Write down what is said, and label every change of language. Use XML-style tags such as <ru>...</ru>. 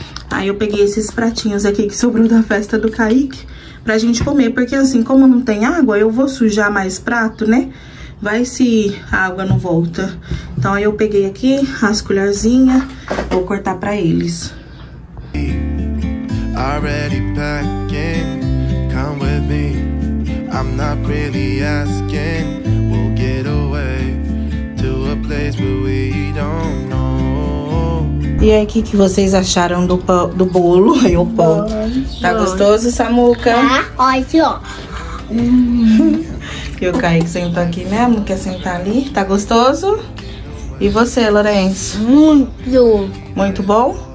<pt>Aí eu peguei esses pratinhos aqui que sobrou da festa do Kaique pra gente comer, porque assim, como não tem água, eu vou sujar mais prato, né? Vai se a água não volta. Então aí eu peguei aqui as colherzinhas, vou cortar pra eles.</pt> <en>Already packing, come with me. I'm not really asking. We'll get away to a place where we don't know.</en> <pt>E aí, o que vocês acharam do pão, do bolo? E o pão? Bom, tá bom. Gostoso, Samuca? Ó, esse, ó. E o Kaique sentou aqui mesmo? Quer sentar ali? Tá gostoso? E você, Lourenço? Muito. Muito bom?</pt>